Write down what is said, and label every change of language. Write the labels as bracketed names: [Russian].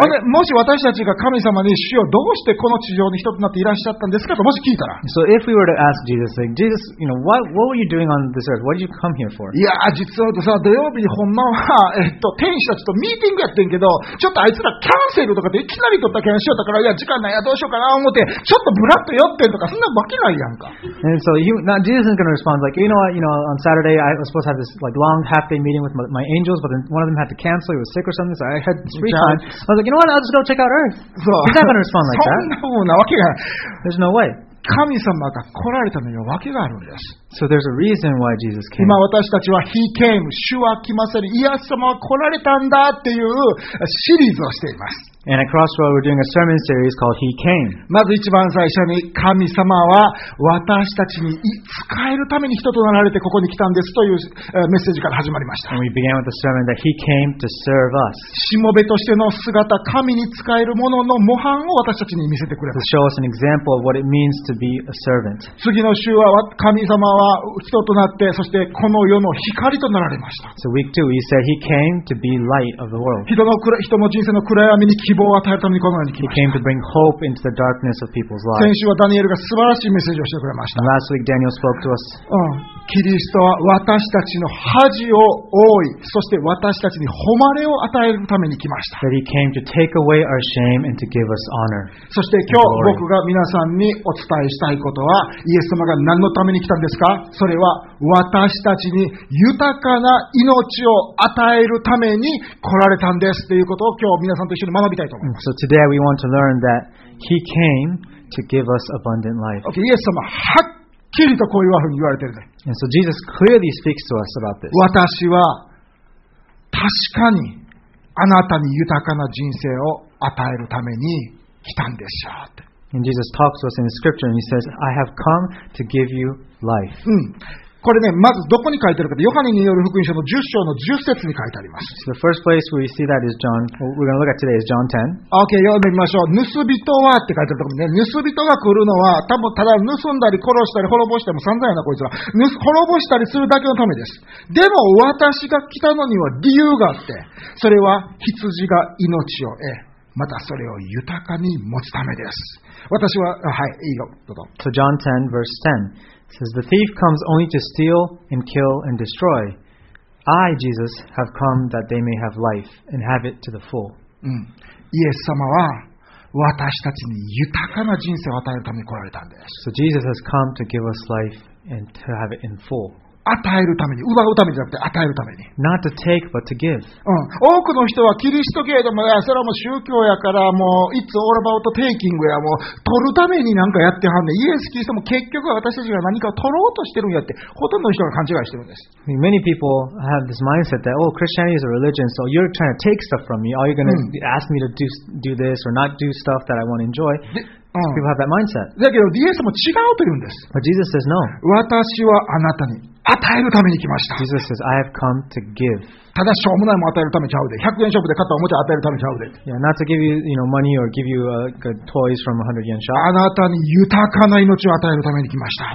[Japanese] もし私たちが神様に主よどうしてこの地上に人となっていらっしゃったんですかともし聞いたら。 [English] So if we were to ask Jesus, like, Jesus, you know, what were you doing on this earth? What did you come here for? [Japanese] いや実はとさ土曜日にほんまは天使たちとミーティングやってんけどちょっとあいつらキャンセルとかでいきなり取ったキャンセルだからいや時間ないやどうしようかな思ってちょっとブラッと寄ってんとかそんなわけないやんか。 [English] And so Jesus isn't going to respond like, you know what, on Saturday I was supposed to have this like long half day meeting with my angels, but then one of them had to cancel, he was sick or something, so I had three times. I was like, you know what? I'll just go check out Earth. So, he's not going to respond like that. There's no way. [Japanese] 神様が来られたのにはわけがあるんです。 [English] So there's a reason why Jesus came. [Japanese] 今私たちは He came, 主は来ませる、イエス様は来られたんだっていうシリーズをしています。 [English] And at Crossroad, we're doing a sermon series called He Came. [Japanese] まず一番最初に神様は私たちに使えるために人となられてここに来たんですというメッセージから始まりました。 [English] And we began with the sermon that He came to serve us. [Japanese] しもべとしての姿、神に使えるものの模範を私たちに見せてくれました。 [English] To show us an example of what it means. To be a servant. [Japanese] 次の週は神様は人となってそしてこの世の光となられました。 [English] So week two, he said he came to be light of the world. [Japanese] 人の人生の暗闇に希望を与えるためにこの世に来ました。 [English] He came to bring hope into the darkness of people's lives. [Japanese] 先週はダニエルが素晴らしいメッセージをしてくれました。 [English] And last week, Daniel spoke to us. [Japanese] キリストは私たちの恥を覆い、そして私たちに誉れを与えるために来ました。 [English] That he came to take away our shame and to give us honor. [Japanese] そして今日僕が皆さんにお伝えしたいことは、イエス様が何のために来たんですか？それは私たちに豊かな命を与えるために来られたんですということを今日皆さんと一緒に学びたいと思います。 [English] So today we want to learn that he came to give us abundant life. [Japanese] Okay, イエス様はっきりとこういうふうに言われてるね。 [English] And so Jesus clearly speaks to us about this. [Japanese] 私は確かにあなたに豊かな人生を与えるために来たんでしょうって。 [English] And Jesus talks to us in the scripture and he says, I have come to give you life. [Japanese] これね、まずどこに書いてるかって、ヨハネによる福音書の10章の10節に書いてあります。 [English] So the first place we see that is John, what we're going to look at today is John 10. [Japanese] Okay, 読んでみましょう。盗人はって書いてあるところね。盗人が来るのは、多分ただ盗んだり殺したり滅ぼしても散々やな、こいつら。滅ぼしたりするだけのためです。でも私が来たのには理由があって、それは羊が命を得。またそれを豊かに持つためです。私は、はい、いいよ、どうぞ。 [English] So John 10, verse 10 says, The thief comes only to steal and kill and destroy. I, Jesus, have come that they may have life and have it to the full.、 [Japanese] イエス様は私たちに豊かな人生を与えるために来られたんです。 [English] So Jesus has come to give us life and to have it in full. [Japanese] 与えるために、奪うためじゃなくて与えるために。 [English] Not to take, but to give. [Japanese] 多くの人はキリスト教でも、それはもう宗教やから、もう、 [English] It's all about taking [Japanese] や、もう、取るためになんかやってはんねん。イエス・キリストも結局は私たちが何かを取ろうとしてるんやって、ほとんどの人が勘違いしてるんです。 [English] Many people have this mindset that, oh, Christianity is a religion, so you're trying to take stuff from me. Are you going to ask me to do this or not do stuff that I want to enjoy? People have that mindset. [Japanese] だけどイエスも違うと言うんです。 [English] But Jesus says no. [Japanese] 私はあなたに与えるために来ました。 [English] Jesus says, I have come to give. [Japanese] ただしょうもないも与えるためちゃうで。100円ショップで買ったおもちゃ与えるためちゃうで。 [English] Yeah, not to give you, you know, money or give you good toys from a 100 yen shop. [Japanese] あなたに豊かな命を与えるために来ました。